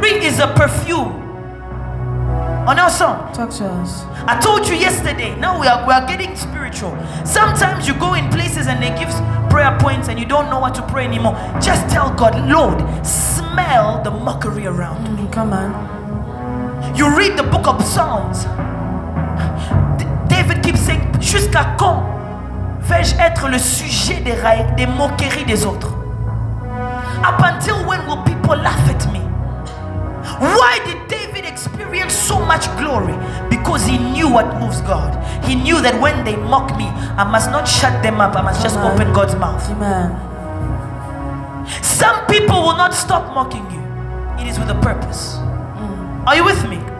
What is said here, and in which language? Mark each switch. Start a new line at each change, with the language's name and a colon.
English: Mary is a perfume. On our song. Talk to us. I told you yesterday, now we are getting spiritual. Sometimes you go in places and they give prayer points and you don't know what to pray anymore. Just tell God, Lord, smell the mockery around me. Come on. You read the book of Psalms. David keeps saying,
French: jusqu'à quand vais-je être le sujet des moqueries des autres?
English: Up until when will people laugh at me? Why did David experience so much glory? Because he knew what moves God. He knew that when they mock me, I must not shut them up. I must just open God's mouth. Amen. Some people will not stop mocking you. It is with a purpose. Are you with me?